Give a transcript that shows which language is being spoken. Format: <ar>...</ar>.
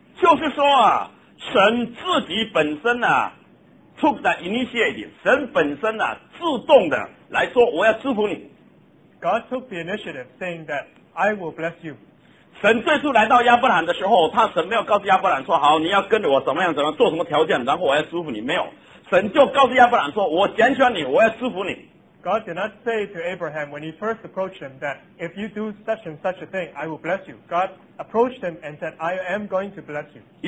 <zh>就是说啊，神自己本身啊</zh> <en>took the initiative，</en> <zh>神本身啊自动的来说我要祝福你。</zh> <en>God took the initiative, saying that I will bless you.</en> <zh>神最初来到亚伯兰的时候，他神没有告诉亚伯兰说好你要跟着我怎么样怎么样做什么条件，然后我要祝福你，没有。神就告诉亚伯兰说：“我拣选你，我要祝福你。”</zh> <en>God did not say to Abraham when he first approached him that if you do such and such a thing, I will bless you. God approached him and said, "I am going to bless you."</en>